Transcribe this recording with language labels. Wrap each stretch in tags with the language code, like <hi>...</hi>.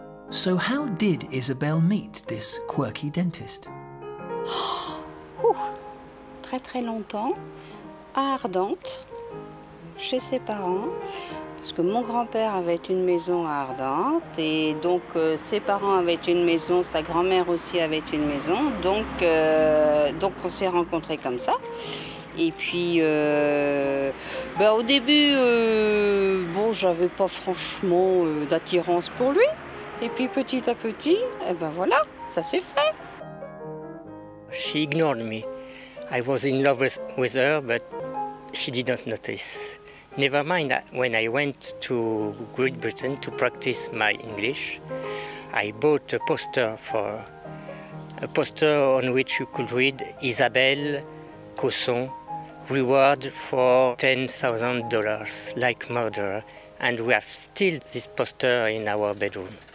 <en>So how did Isabelle meet this quirky dentist?</en> <fr>Oh, très très longtemps, à Ardentes, chez ses parents, parce que mon grand-père avait une maison à Ardentes, et donc ses parents avaient une maison, sa grand-mère aussi avait une maison, donc on s'est rencontrés comme ça. Et puis, au début, j'avais pas franchement d'attirance pour lui. Et puis petit à petit, eh ben voilà, ça s'est fait.</fr> <en>She ignored me. I was in love with her, but she did not notice. Never mind, when I went to Great Britain to practice my English, I bought a poster for a poster on which you could read Isabelle Cosson reward for $10,000 like murder, and we have still this poster in our bedroom.</en>